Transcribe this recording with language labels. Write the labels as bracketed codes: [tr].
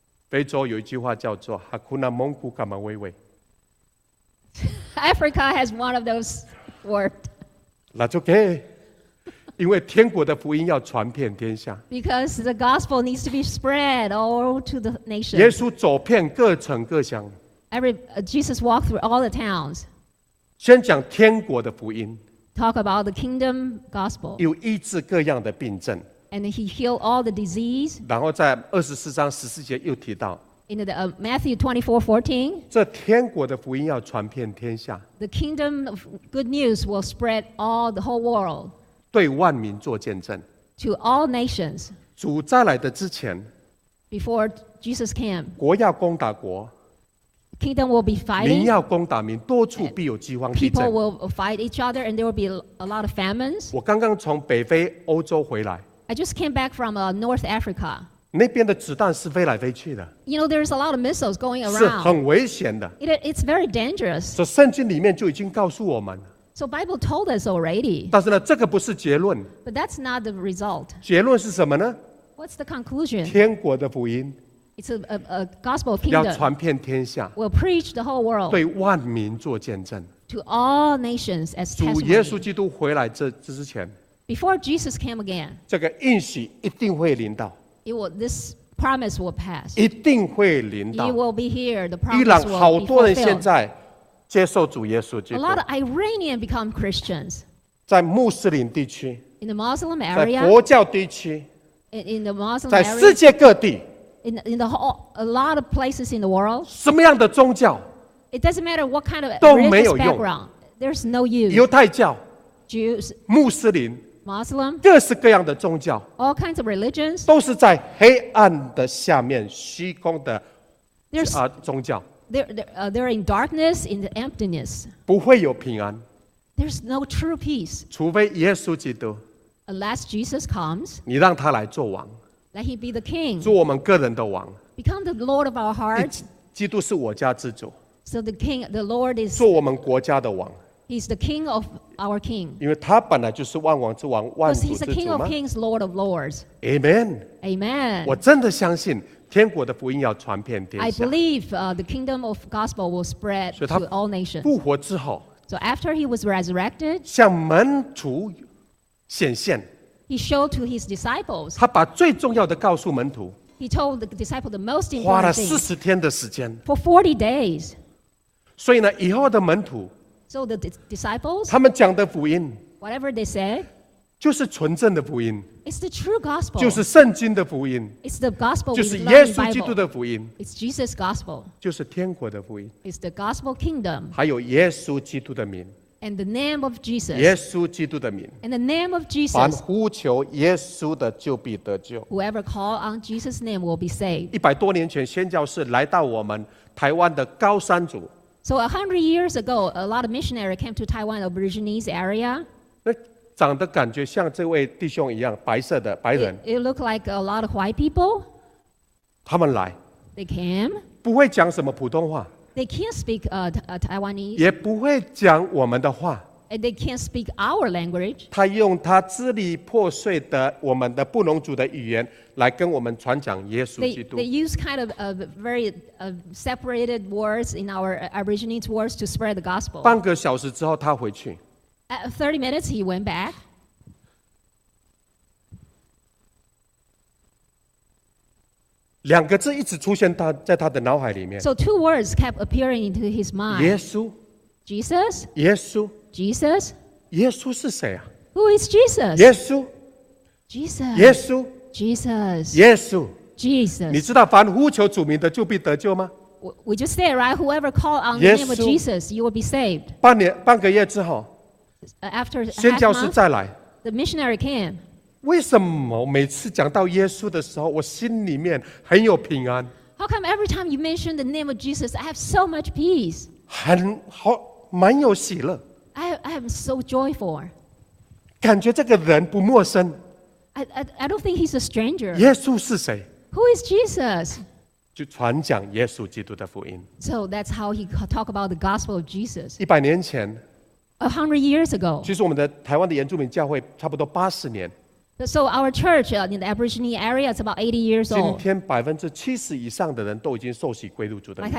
[zh] 非洲有一句话叫做 [sw] Hakuna Mungu Kama Wewe。 [en] Africa has one of those words. That's okay. [zh] 因为天国的福音要传遍天下。 [en] Because the gospel needs to be spread all to the nation. [zh] 耶稣走遍各城各乡。 [en] Jesus walked through all the towns. [zh] 先讲天国的福音。 [en] Talk about the kingdom gospel. [zh] 有医治各样的病症。 [en] And he healed all the disease. [zh] 然后在24章14节又提到。 [en] In the, Matthew 24:14, [zh] 这天国的福音要传遍天下。 [en] The kingdom of good news will spread all the whole world. [zh] 对万民做见证。 [en] To all nations. [zh] 主再来的之前。 [en] Before Jesus came. [zh] 国要攻打国。 [en] Kingdom will be fighting. [zh] 民要攻打民，多处必有饥荒地震。 [en] People will fight each other, and there will be a lot of famines. [zh] 我刚刚从北非欧洲回来。 [en] I just came back from North Africa. [zh] 那边的子弹是飞来飞去的。 [en] You know, there's a lot of missiles going around. [zh] 是很危险的。 [en] It's very dangerous. [zh] 所以圣经里面就已经告诉我们。 [en] So Bible told us already. [zh] 但是呢，这个不是结论。 [en] But that's not the result. [zh] 结论是什么呢 [en] ？What's the conclusion? [zh] 天国的福音。 [en] It's a gospel of kingdom. [zh] 要传遍天下。 [en] We'll preach the whole world. [zh] 对万民做见证。 [en] To all nations as testimony. [zh] 主耶稣基督回来这之前。 [en] Before Jesus came again. [zh] 这个应许一定会临到。 [en] This promise will pass. [zh] 一定会临到。 [en] You will be here. The promise [zh] 伊朗好多人现在接受主耶稣基督。 [en] A lot of Iranians become Christians. [zh] 在穆斯林地区。 [en] In the Muslim area. [zh] 在佛教地区。 [en] In the Muslim area. [zh] 在世界各地。 [en] In the whole, a lot of places in the world. [zh] 什么样的宗教 [en] ？It doesn't matter what kind of religious background. There's no use. [zh] 犹太教。 [en] Jews. [zh] 穆斯林。 [en] Muslim, [zh] 各式各样的宗教 [en] all kinds of religions, [zh] 都是在黑暗的下面虚空的、宗教 [en] they're in darkness, in the emptiness. [zh] 不会有平安 [en] There's no true peace. [zh] 除非耶稣基督 [en] Unless Jesus comes, [zh] 你让他来做王 [en] Let him be the king. [zh] 做我们个人的王。 [en] Become the lord of our hearts. [zh] 基督是我家之主。 [en] So the king, the lord is. [zh] 做我们国家的王。 [en] He's the king of our king. [zh] 因为他本来就是万王之王，万主之主吗？ [en] Because he's the king of kings, lord of lords. Amen. Amen. [zh] 我真的相信天国的福音要传遍天下。 [en] I believe the kingdom of gospel will spread to all nations. [zh] 复活之后。 [en] So after he was resurrected. [zh] 向门徒显现。 [en] He showed to his disciples. [zh] 他把最重要的告诉门徒。 [en] He told the disciples the most important thing. [zh] 花了40天的时间。 [en] For 40 days. [zh] 所以呢，以后的门徒。 [en] So the disciples. [zh] 他们讲的福音。 [en] Whatever they say. [zh] 就是纯正的福音。 [en] It's the true gospel. [zh] 就是圣经的福音。 [en] It's the gospel. [zh] 就是耶稣基督的福音。 [en] It's Jesus' gospel. [zh] 就是天国的福音。 [en] It's the gospel kingdom. [zh] 还有耶稣基督的名。 [en] And the name of Jesus. [zh] 耶稣基督的名。 [en] And the name of Jesus. [zh] 凡呼求耶稣的就必得救。 [en] Whoever call on Jesus' name will be saved. [zh] 一百多年前，宣教士来到我们台湾的高山族。 [en] So 100 years ago, a lot of missionaries came to Taiwan, Aborigines area. [zh] 那长得感觉像这位弟兄一样，白色的白人。 [en] It looked like a lot of white people. [zh] 他们来。 [en] They came. [zh] 不会讲什么普通话。 [en] They can't speak Taiwanese. [zh] 也不会讲我们的话。 [en] And they can't speak our language. [zh] 他用他支离破碎的我们的布农族的语言来跟我们传讲耶稣基督。 [en] They use kind of very separated words in our Aborigines words to spread the gospel. [zh] 半个小时之后他回去。 [en] At 30 minutes he went back. [zh] 两个字一直出现在他的脑海里面。 [en] So two words kept appearing into his mind. [zh] 耶稣。 [en] Jesus. [zh] 耶稣。 [en] Jesus. [zh] 耶稣是谁啊？ [en] Who is Jesus? [zh] 耶稣。 [en] Jesus. [zh] 耶稣。 [en] Jesus. [zh] 耶稣。 [en] Jesus. [zh] 你知道凡呼求主名的就必得救吗？ [en] We just say it, right? Whoever call on the name of Jesus, you will be saved. [zh] 半个月之后。 [en] After half month, [zh] 宣教士再来。 [en] The missionary came. [zh] 为什么每次讲到耶稣的时候，我心里面很有平安？ [en] How come every time you mention the name of Jesus, I have so much peace? [zh] 很好，蛮有喜乐。 [en] I am so joyful. [zh] 感觉这个人不陌生。 [en] I don't think he's a stranger. [zh] 耶稣是谁？ [en] Who is Jesus? [zh] 就传讲耶稣基督的福音。 [en] So that's how he talk about the gospel of Jesus. [zh] 一百年前。 [en] 100 years ago. [zh] 其实我们的台湾的原住民教会差不多80年。 [en] So our church in the Aborigine area is about 80 years old. [zh] 今天70%以上的人都已经受洗归入主的名下。